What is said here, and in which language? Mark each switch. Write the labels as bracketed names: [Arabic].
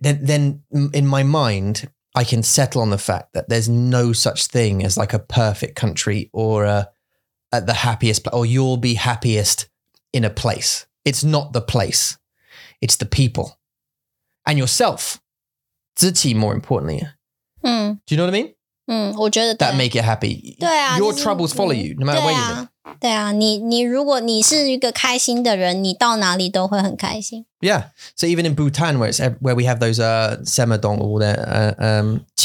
[English] Then in my mind, I can settle on the fact that there's no such thing as like a perfect country or at the happiest, or you'll be happiest in a place. It's not the place. It's the people and yourself. Ziti, more importantly. Do you know what I mean? That make you happy. Your troubles follow you, no matter where you live. [Chinese] 对啊，你如果你是一个开心的人，你到哪里都会很开心。 [English] Yeah, so even in Bhutan, where we have those semadong or the